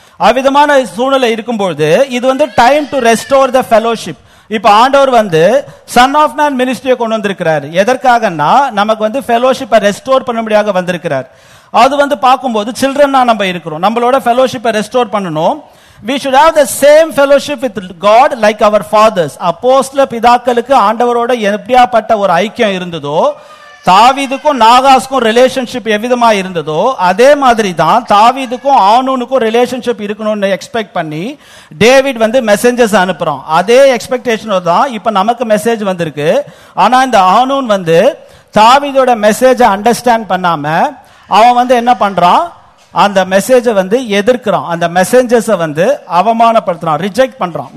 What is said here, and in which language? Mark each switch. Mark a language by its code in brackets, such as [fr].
[ta] அவ்விதமான சூழ்நிலை இருக்கும்பொழுது இது வந்து [en] Time to restore the fellowship. [ta] இப்ப ஆண்டவர் வந்து சன் ஆஃப் மேன் மினிஸ்ட்ரியை கொண்டு வந்திருக்கிறார். எதற்காகனா நமக்கு வந்து ஃபெலோஷிப்பை ரெஸ்டோர் பண்ண முடியாத வந்திருக்கிறார். அது வந்து பார்க்கும்போது சில்ட்ரனா நம்ம இருக்கிறோம், நம்மளோட ஃபெலோஷிப்பை ரெஸ்டோர் பண்ணணும். [en] We should have the same fellowship with God like our fathers. [ta] அப்போஸ்தல பிதாக்களுக்கு ஆண்டவரோட எப்படியாப்பட்ட ஒரு ஐக்கியம் இருந்ததோ, தாவீதுக்கும் நாகாஸ்க்கும் ரிலேஷன்ஷிப் எவ்விதமா இருந்ததோ, அதே மாதிரி தான் தாவீதுக்கும் ஆனூனுக்கும் ரிலேஷன்ஷிப் இருக்கணும்னு எக்ஸ்பெக்ட் பண்ணி டேவிட் வந்து மெசேஞ்சர்ஸ் அனுப்புறோம். அதே எக்ஸ்பெக்டேஷனோட தான் இப்ப நமக்கு மெசேஜ் வந்திருக்கு. ஆனா இந்த ஆனூன் வந்து தாவீதோட மெசேஜை அண்டர்ஸ்டாண்ட் பண்ணாம அவன் வந்து என்ன பண்றான், அந்த மெசேஜை வந்து எதிர்க்கிறான், அந்த மெசேஞ்சர்ஸ் வந்து அவமானப்படுத்துறான், ரிஜெக்ட் பண்றான்.